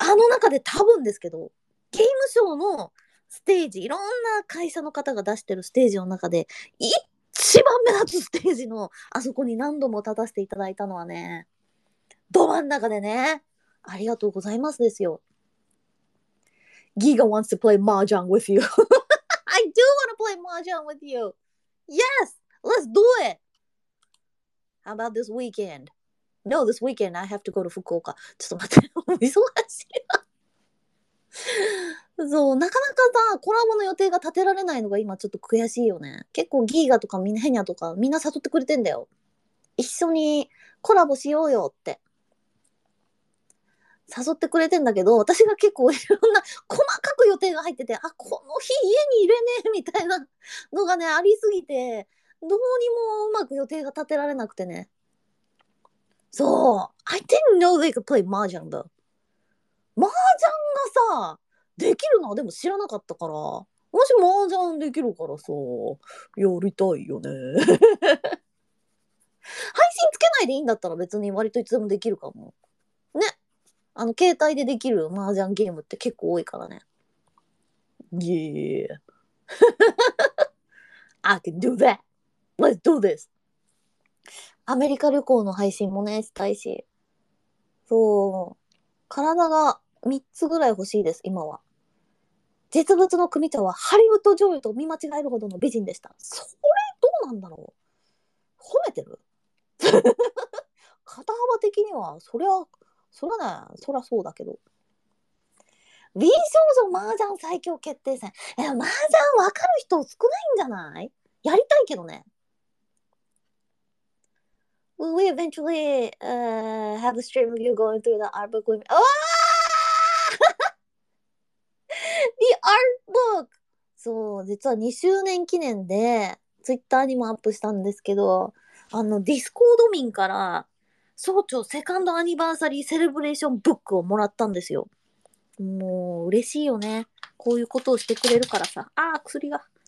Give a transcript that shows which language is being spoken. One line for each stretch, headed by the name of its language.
Japanese: 中で、多分ですけど、ゲームショーのステージ、いろんな会社の方が出してるステージの中で一番目立つステージのあそこに何度も立たせていただいたのはね、ど真ん中でね、ありがとうございますですよ。
English: Giga wants to play mahjong with you. I do want to play mahjong with you. Yes, let's do it. How about this weekend? No, this weekend I have to go to Fukuoka.
Japanese: ちょっと待って、忙しい。そう、なかなかさ、コラボの予定が立てられないのが今ちょっと悔しいよね。結構ギーガとかみんなヘニャとかみんな誘ってくれてんだよ。一緒にコラボしようよって誘ってくれてんだけど、私が結構いろんな細かく予定が入ってて、あ、この日家にいれねえみたいなのがね、ありすぎて、どうにもうまく予定が立てられなくてね。そう。
English: I didn't know they could play 麻雀 though。
Japanese: 麻雀がさ、できるのはでも知らなかったから、もし麻雀できるからさ、やりたいよね。配信つけないでいいんだったら別に割といつでもできるかも。ね。あの携帯でできる麻雀ゲームって結構多いからね。
English: Yeah. I can do that. Let's do this.
Japanese: アメリカ旅行の配信もね、したいし。そう。体が3つぐらい欲しいです、今は。実物の組長はハリウッド女優と見間違えるほどの美人でした。それ、どうなんだろう。褒めてる？肩幅的には、そりゃ、そらね、そらそうだけど。美少女麻雀最強決定戦。いや、麻雀わかる人少ないんじゃない？やりたいけどね。
English: Will we eventually have a stream of you going through the art book with me? Oh! The art book!
Japanese: そう、実は2周年記念で、Twitter にもアップしたんですけど、あの、Discord 民から、総長セカンドアニバーサリーセレブレーションブックをもらったんですよ。もう、嬉しいよね。こういうことをしてくれるからさ。あー、薬が。